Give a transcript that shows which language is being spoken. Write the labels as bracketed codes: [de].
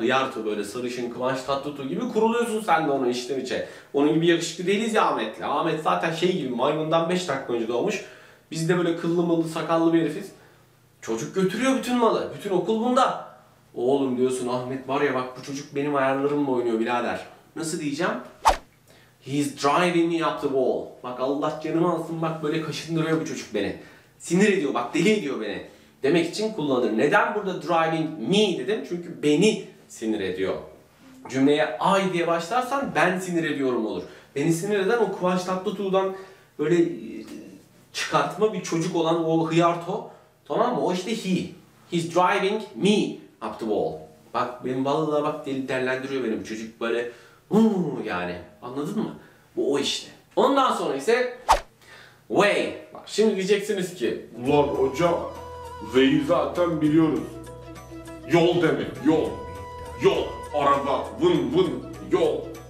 [tr] Hıyartı böyle sarışın, Kıvanç Tatlıtuğ gibi. Kuruluyorsun sen de onun içten içe. Onun gibi yakışıklı değiliz ya Ahmet'le. Ahmet zaten şey gibi, maymundan 5 dakika önce doğmuş. Biz de böyle kıllı mıllı sakallı bir herifiz. Çocuk götürüyor bütün malı. Bütün okul bunda. Oğlum diyorsun, Ahmet var ya bak, bu çocuk benim ayarlarımla oynuyor birader. Nasıl diyeceğim? [en] He's driving me up the wall. [tr] Bak Allah canımı alsın, bak böyle kaşındırıyor bu çocuk beni. Sinir ediyor, bak deli ediyor beni demek için kullanılır. Neden burada driving me dedim? Çünkü beni sinir ediyor. Cümleye I diye başlarsan ben sinir ediyorum olur. Beni sinir eden o Kıvanç Tatlıtuğ'dan böyle çıkartma bir çocuk olan o hıyarto. Tamam mı? O işte he. [en] He's driving me up the wall. [tr] Bak benim vallahi bak deli derlendiriyor benim çocuk böyle. Yani anladın mı? Bu o işte. Ondan sonra ise way. Bak şimdi diyeceksiniz ki ulan hocam way'i zaten biliyoruz. Yol demek. Yol. Yol. Araba. Vın vın. Yol.